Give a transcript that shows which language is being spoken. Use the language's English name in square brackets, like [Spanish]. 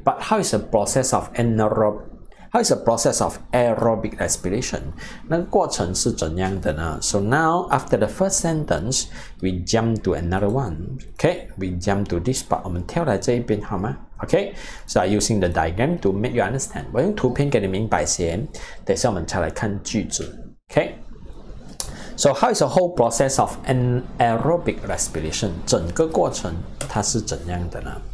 [English] But how is the process of aerobic respiration? [Chinese] 那个过程是怎样的呢? [English] So now, after the first sentence, we jump to another one. Okay, we jump to this part. [Chinese] 我们跳来这一边好吗? [English] Okay, so I'm using the diagram to make you understand. [Chinese] 我用图片给你明白先, 等一下我们才来看句子. [English] Okay? So how is the whole process of anaerobic respiration? [Chinese] 整个过程它是怎样的呢?